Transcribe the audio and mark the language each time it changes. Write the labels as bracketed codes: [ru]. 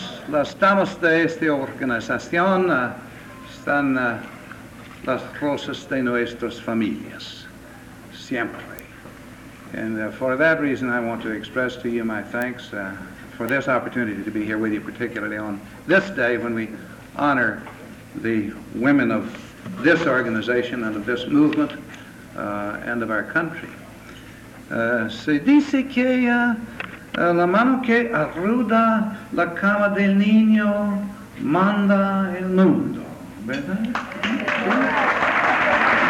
[es] Las damas de esta organización están las rosas de nuestras familias, siempre. [en] And for that reason, I want to express to you my thanks for this opportunity to be here with you, particularly on this day when we honor the women of this organization and of this movement and of our country. [es] Se dice que la mano que arruda la cama del niño manda el mundo, ¿verdad? Sí.